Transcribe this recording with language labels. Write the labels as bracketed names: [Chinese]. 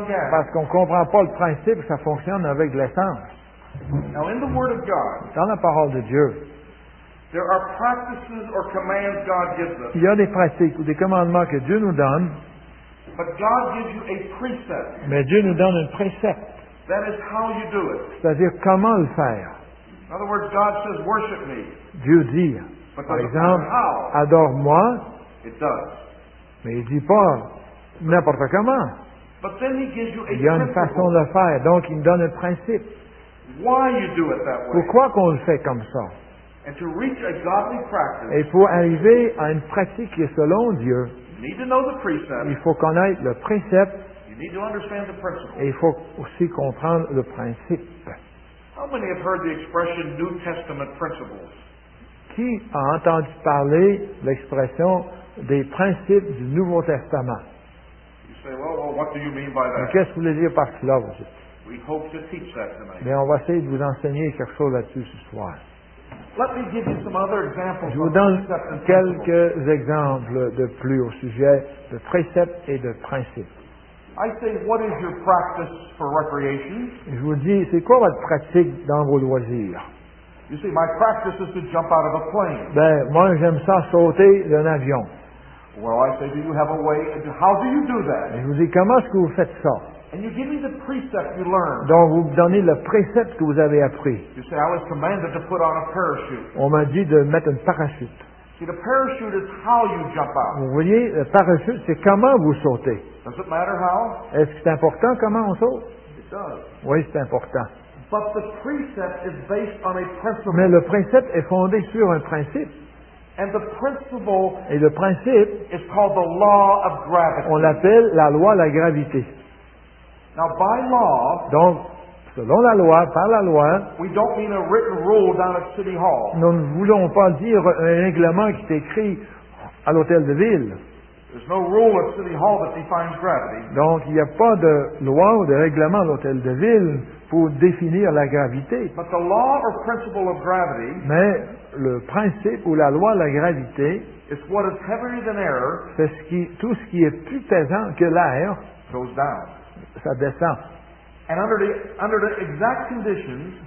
[French] Parce qu'on ne comprend pas le principe que ça fonctionne avec l'essence. [English] Now, in the Word of God, [French] dans la parole de Dieu, [English] there are practices or commands God gives us. [French] Il y a des pratiques ou des commandements que Dieu nous donne. [English] But God gives you a precept. [French] Mais Dieu nous donne un précepte. [English] That is how you do it. [French] C'est-à-dire comment le faire. [English] In other words, God says, "Worship me." [French] Dieu dit, [English] but [French] par exemple, [English] how, [French] adore-moi. [English] It does. [French] Mais il ne dit pas n'importe comment. [English] But then he gives you a [French] principle. Il y a une façon de le faire, donc il nous donne un principe. [English] Why you do it that way? [French] Pourquoi qu'on le fait comme ça? [English] And to reach a godly practice, [French] et pour arriver à une pratique qui est selon Dieu, [English] you need to know the precept, [French] il faut connaître le précepte, [English] you need to understand the principle, [French] et il faut aussi comprendre le principe. [English] How many have heard the expression New Testament principles? [French] Qui a entendu parler l'expression des principes du Nouveau Testament? [English] You say, well, what do you mean by that? [French] Mais qu'est-ce que vous voulez dire par cela, vous dites? [English] We hope to teach that tonight. [French] Mais on va essayer de vous enseigner quelque chose là-dessus ce soir. [English] Let me give you some other examples. [French] Je vous donne quelques exemples de plus au sujet de préceptes et de principes. [English] I say, what is your practice for recreation? [French] Je vous dis, c'est quoi votre pratique dans vos loisirs? [English] You see, my practice is to jump out of a plane. [French] Ben, moi, j'aime ça sauter d'un avion. [English] Well, I say, do you have a way? How do you do that? [French] Je vous dis, comment est-ce que vous faites ça? [English] And you give me the precept you learned. [French] Donc, vous me donnez le précepte que vous avez appris. [English] You say, I was commanded to put on a parachute. [French] On m'a dit de mettre un parachute. [English] See, the parachute is how you jump out. [French] Vous voyez, le parachute, c'est comment vous sautez. [English] Does it matter how? [French] Est-ce que c'est important comment on saute? [English] It does. [French] Oui, c'est important. [English] But the precept is based on a principle. [French] Mais le précepte est fondé sur un principe. [English] And the principle, [French] et le principe [English] is called the law of gravity. [French] On l'appelle la loi de la gravité. [English] Now, by law, [French] donc, selon la loi, par la loi, [English] we don't mean a written rule down at City Hall. [French] Nous ne voulons pas dire un règlement qui est écrit à l'hôtel de ville. [English] There's no rule at City Hall that defines gravity. [French] Donc, il n'y a pas de loi ou de règlement à l'hôtel de ville pour définir la gravité. [English] But the law or principle of gravity, [French] mais le principe ou la loi de la gravité, [English] is what is heavier than air, [French] c'est ce qui, tout ce qui est plus pesant que l'air, [English] goes down. [French] Ça descend. [English] And under the exact conditions,